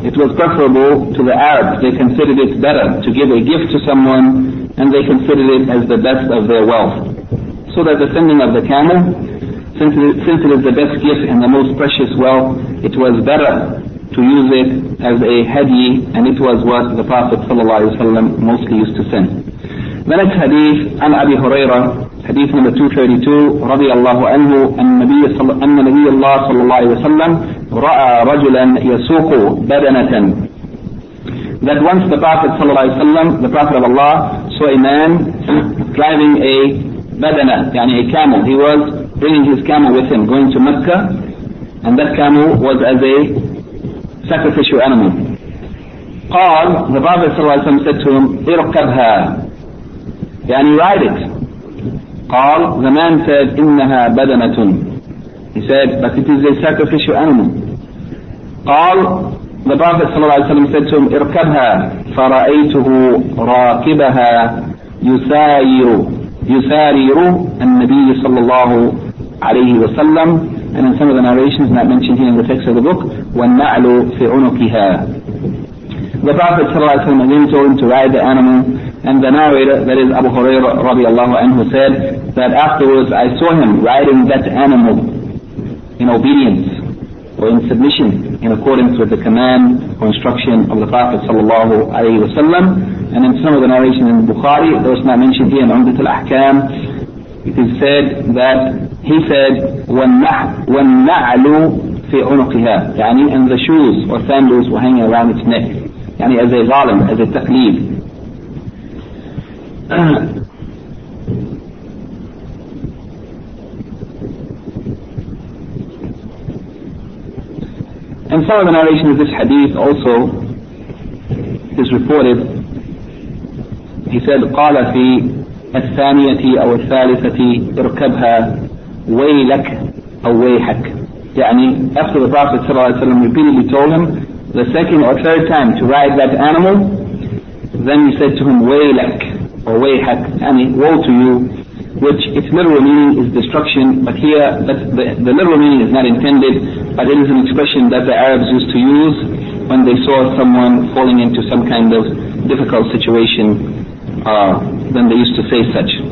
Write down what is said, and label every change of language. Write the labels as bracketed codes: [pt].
[en] It was preferable to the Arabs. They considered it better to give a gift to someone, and they considered it as the best of their wealth. So that the sending of the camel, since it is the best gift and the most precious wealth, it was better to use it as a hadi, and it was what the Prophet ﷺ mostly used to send. The next hadith, [ar] عن أبي هريرة, [en] hadith number 232, [ar] رضي الله عنه, أن نبي الله صلى الله عليه وسلم رأى رجلا يسوق بدنة. [en] That once the Prophet ﷺ, the Prophet of Allah, saw a man driving a badana, يعني a camel. He was bringing his camel with him, going to Mecca, and that camel was as a sacrificial animal. قال, the Prophet ﷺ said to him, [ar] إركبها, يعني [en] ride it. قال, the man said, [ar] إنها بدنة. [en] He said, but it is a sacrificial animal. [ar] قال, [en] the Prophet ﷺ said to him, [ar] إركبها, فرأيته راكبها يسائر, يسائر النبي صلى الله عليه وسلم. [en] And in some of the narrations not mentioned here in the text of the book, وَالنَّعْلُ فِي عُنُكِهَا. The Prophet ﷺ again told him to ride the animal, and the narrator, that is Abu Hurairah [ar] رضي الله عنه, [en] said that afterwards I saw him riding that animal in obedience or in submission in accordance with the command or instruction of the Prophet ﷺ. And in some of the narrations in Bukhari, those not mentioned here in Umdat al-Ahkam, it is said that he said, [ar] وَالنَّعْلُ فِي عُنُقِهَا, [en] يعني, and the shoes or sandals were hanging around its neck, يعني, as a ظالم, as a تقليب. And some of the narration of this hadith also is reported. He said, [ar] قَالَ فِي الثانية أو الثالثة اركبها ويلك أو ويحك. [en] يعني, after the Prophet [ar] صلى الله عليه وسلم [en] repeatedly told him the second or third time to ride that animal, then he said to him, [ar] ويلك أو ويحك, [en] يعني, woe to you, which its literal meaning is destruction, but here the literal meaning is not intended, but it is an expression that the Arabs used to use when they saw someone falling into some kind of difficult situation. Then they used to say such.